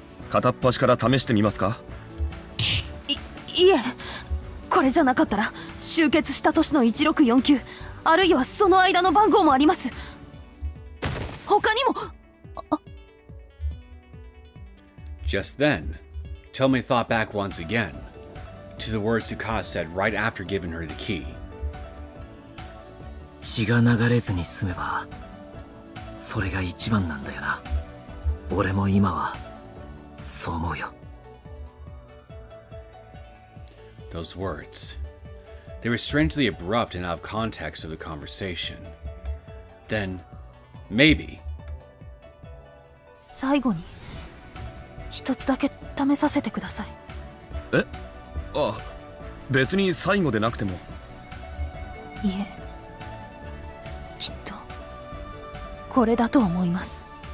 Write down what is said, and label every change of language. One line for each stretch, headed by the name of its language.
Japanese: 片っ端から試してみますか? いえ...これじゃなかったら...集結した都市の1649... あるいはその間の番号もあります! 他にも...
English: Just then, Tomoe thought back once again to the words Tsukada said right after giving her the key.
Japanese: 血が流れずに済めば... それが一番なんだよな... 俺も今は...そう思うよ...
English: Those words... They were strangely abrupt and out of context of the conversation. Then, maybe...
Japanese: 最後に、一つだけ試させてください。え? あ、別に最後でなくても。いえ、きっと、これだと思います。